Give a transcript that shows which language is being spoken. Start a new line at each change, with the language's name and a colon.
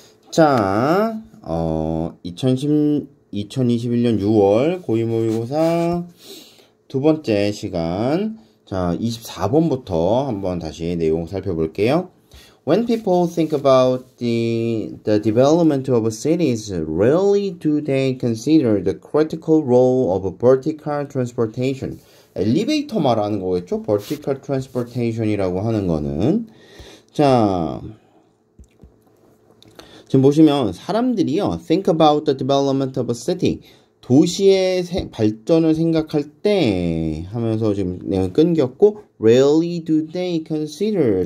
Korean: 자, 2021년 6월 고위모의고사 두 번째 시간. 자, 24번부터 한번 다시 내용 살펴볼게요.
English: When people think about the development of cities, rarely do they consider the critical role of vertical transportation.
Korean: 엘리베이터 말하는 거겠죠? Vertical transportation이라고 하는 거는. 자, 지금 보시면 사람들이요,
English: think about the development of a city.
Korean: 도시의 발전을 생각할 때 하면서 지금 내용 끊겼고,
English: rarely do they consider.